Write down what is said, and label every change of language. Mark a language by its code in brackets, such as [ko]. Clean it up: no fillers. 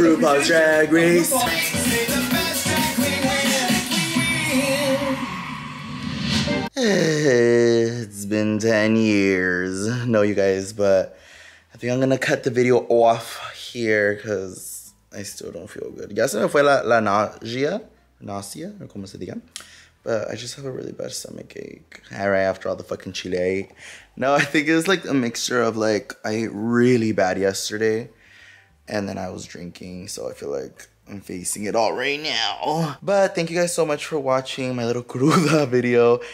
[en] RuPaul's Drag Race. It's been 10 years. No, you guys, but I think I'm gonna cut the video off here because I still don't feel good. [es] Ya se me fue la nausea, nausea, or como se diga. [en] But I just have a really bad stomach ache. All right, after all the fucking chile I ate. No, I think it was like a mixture of like, I ate really bad yesterday And then I was drinking, so I feel like I'm facing it all right now. But thank you guys so much for watching my little cruda video.